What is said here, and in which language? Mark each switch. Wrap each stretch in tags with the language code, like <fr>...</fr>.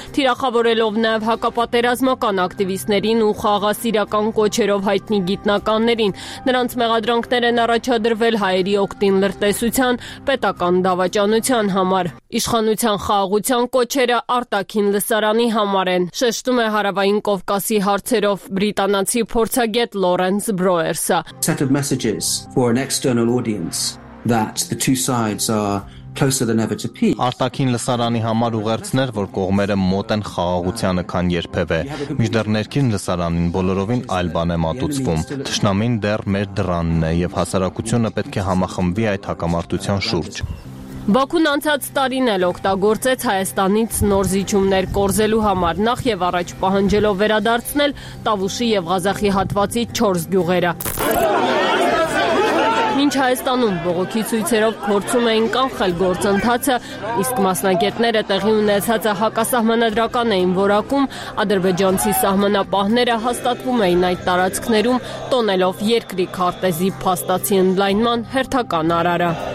<hy>թիրախավորելով նաև հակապատերազմական ակտիվիստներին ու խաղաղասիրական կոչերով հայտնի գիտնականներին։ Նրանց մեղադրանքներ են առաջադրվել հայերի օկտին լրտեսության, պետական դավաճանության համար։ Իշխանության խաղաղության կոչերը արտաքին լսարանի համար են, շեշտում է Հարավային Կովկասի հարցերով բրիտանացի փորձագետ Լորենս Բրոերսը.</hy> <en>Set of messages for an external audience that the two sides are closer than ever to peace.</en> <hy>Արտաքին լսարանի համար ուղերձներ, որ կողմերը մոտ են խաղաղությանը քան երբևէ։ Միջդեռ ներքին լսարանին բոլորովին այլ բան է մատուցվում։ Թշնամին դեռ մեր դրանն է եւ հասարակությունը պետք է համախմբվի այդ հակամարտության շուրջ։ Բաքուն անցած տարին էլ օգտագործեց Հայաստանից նոր զիջումներ կորզելու համար, նախ եւ առաջ պահանջելով վերադարձնել Տավուշի եւ Ղազախի հատվածի 4 գյուղերը։ Մինչ Հայաստանում բողոքի ցույցերով փորձում էին կանխել գործընթացը, իսկ մասնագետները տեղի ունեցածը հակասահմանադրական էին որակում, ադրբեջանցի սահմանապահները հաստատվում էին այդ տարածքներում, տոնելով երկրի քարտեզի փաստացի ընդլայնման հերթական արարը։</hy>